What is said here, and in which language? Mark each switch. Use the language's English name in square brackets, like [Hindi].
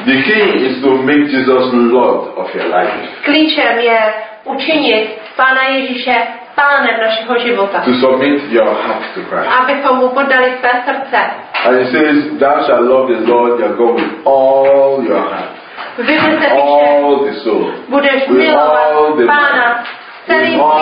[English] The key is to make Jesus Lord of your life. [Czech] Klíčem je učinit Pána Ježíše pánem našeho života. [English] To submit your heart to Christ. [Czech] Abychom mu podali své srdce. [English] And it says, thou shalt love the Lord your God with all your heart. [Czech] Vyvíjte [English] all the soul. [Czech] Budeš milovat Pána celým